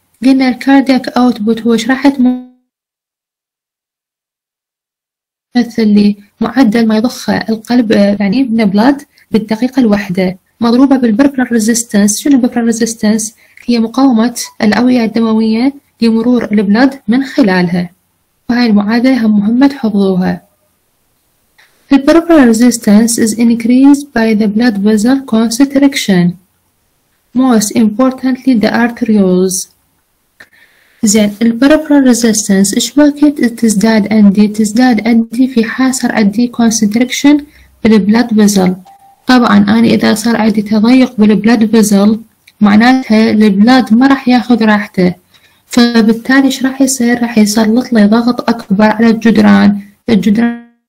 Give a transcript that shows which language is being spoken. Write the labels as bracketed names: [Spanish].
[Arabic] قلنا ال cardiac output هو شرحت مثل معدل ما يضخه القلب يعني من blood بالدقيقة الواحدة مضروبة بالبربرال ريزيستنس. شنو البربرال ريزيستنس؟ هي مقاومة الأوعية الدموية لمرور البلد من خلالها، وهاي المعادلة هم مهمة تحفظوها. [English] البربرال resistance is increased by the blood vessel constriction most importantly the arterioles. [Arabic] زين البربرال ريزيستنس إيش وقت تزداد عندي؟ تزداد عندي في حاصر عندي constriction بالبلد vessel. طبعا أنا إذا صار عندي تضيق بالبلاد فيزل معناتها البلاد ما راح ياخذ راحته، فبالتالي إيش راح يصير؟ راح يسلط لي ضغط أكبر على الجدران، الجدران